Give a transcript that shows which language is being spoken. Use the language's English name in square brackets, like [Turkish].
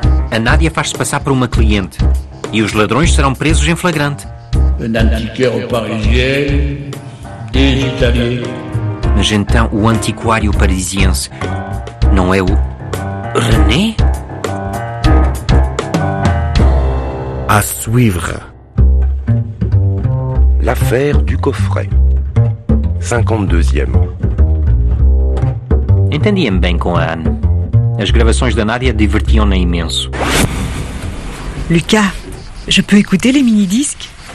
[Portuguese] A Nadia faz-se passar por uma cliente. E os ladrões serão presos em flagrante. [French] Un antiqueur parisien, des Italiens. [Portuguese] Mas então o antiquário parisiense não é o René? [French] À suivre. L'affaire du coffret. 52e. [Portuguese] Entendia-me bem com a Anne. As gravações da Nadia divertiam-na imenso. [French] Lucas, je peux écouter les mini-disques?